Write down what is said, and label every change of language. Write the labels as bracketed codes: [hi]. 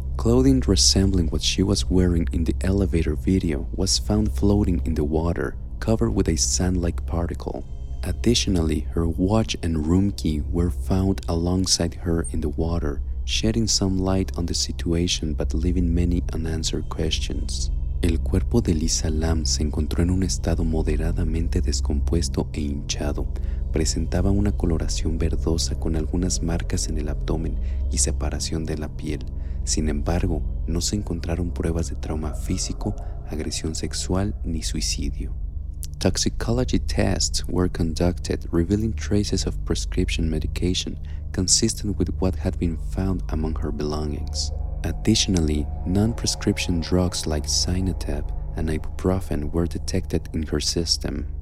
[en] Clothing resembling what she was wearing in the elevator video was found floating in the water, covered with a sand-like particle. Additionally, her watch and room key were found alongside her in the water, shedding some light on the situation but leaving many unanswered questions. [es] El cuerpo de Elisa Lam se encontró en un estado moderadamente descompuesto e hinchado. Presentaba una coloración verdosa con algunas marcas en el abdomen y separación de la piel. Sin embargo, no se encontraron pruebas de trauma físico, agresión sexual ni suicidio. [en] Toxicology tests were conducted, revealing traces of prescription medication consistent with what had been found among her belongings. Additionally, non-prescription drugs like Zynotep and ibuprofen were detected in her system.